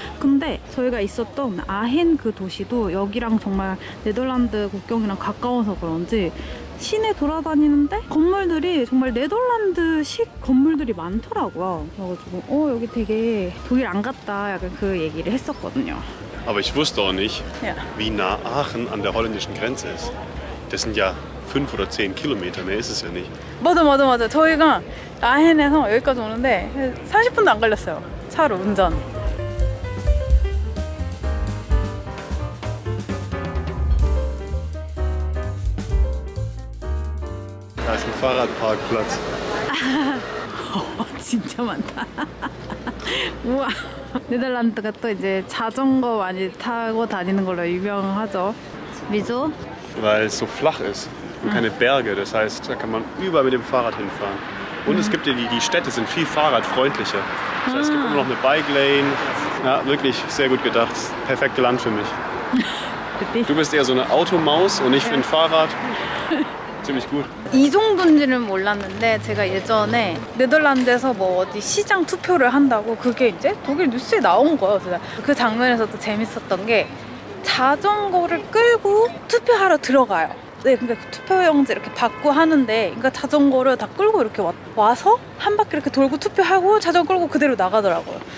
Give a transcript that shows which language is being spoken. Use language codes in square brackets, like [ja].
[ko] 근데 저희가 있었던 아헨 그 도시도 여기랑 정말 네덜란드 국경이랑 가까워서 그런지 시내 돌아다니는데 건물들이 정말 네덜란드식 건물들이 많더라고요. 그래가지고 여기 되게 독일 안 같다 약간 그 얘기를 했었거든요. [de] Aber ich wusste auch nicht, wie nah Aachen an der holländischen Grenze ist. Das sind ja 5 oder 10 km, mehr ist es ja nicht. [ko] 맞아. 저희가 아헨에서 여기까지 오는데 40분도 안 걸렸어요. 차로 운전. 다 지금 [de] Fahrrad Parkplatz. [ko] 진짜 많다. 우와. 네덜란드가 또 이제 자전거 많이 타고 다니는 걸로 유명하죠. 왜죠? [de] Weil es so flach ist. Und keine Berge, das heißt, da kann man überall mit dem Fahrrad hinfahren. Und es gibt ja die Städte sind viel fahrradfreundlicher. Das heißt, es gibt immer noch eine Bike Lane. Ja, wirklich sehr gut gedacht. Das perfekte Land für mich. Du bist eher so eine Automaus und ich finde Fahrrad ziemlich gut. [ko] 이 정도인지는 몰랐는데 제가 예전에 네덜란드에서 뭐 어디 시장 투표를 한다고 그게 이제 독일 뉴스에 나온 거예요. 제가 그 장면에서 또 재밌었던 게 자전거를 끌고 투표하러 들어가요. 네, 그러니까 투표용지 이렇게 받고 하는데 그러니까 자전거를 다 끌고 이렇게 와서 한 바퀴 이렇게 돌고 투표하고 자전거 끌고 그대로 나가더라고요.